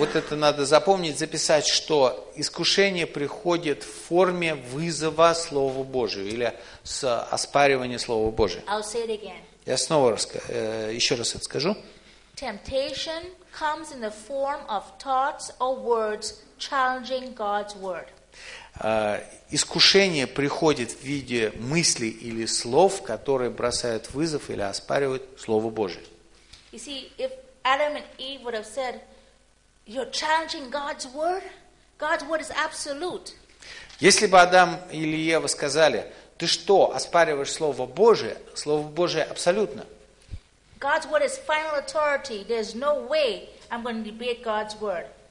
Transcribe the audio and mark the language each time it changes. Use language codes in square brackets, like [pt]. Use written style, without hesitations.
[ru] Надо запомнить, записать, что искушение приходит в форме вызова Слова Божьего или с оспаривания Слова Божьего. [en] I'll say it again. [ru] Я снова еще раз это скажу. [en] Temptation comes in the form of thoughts or words challenging God's word. [ru] Искушение приходит в виде мыслей или слов, которые бросают вызов или оспаривают Слово Божие. [en] You see, if Adam and Eve would have said, "You're challenging God's word. God's word is absolute." [ru] Если бы Адам или Ева сказали, "Ты что, оспариваешь Слово Божие? Слово Божие абсолютно." [en] God's word is final authority. There's no way I'm going to debate God's word.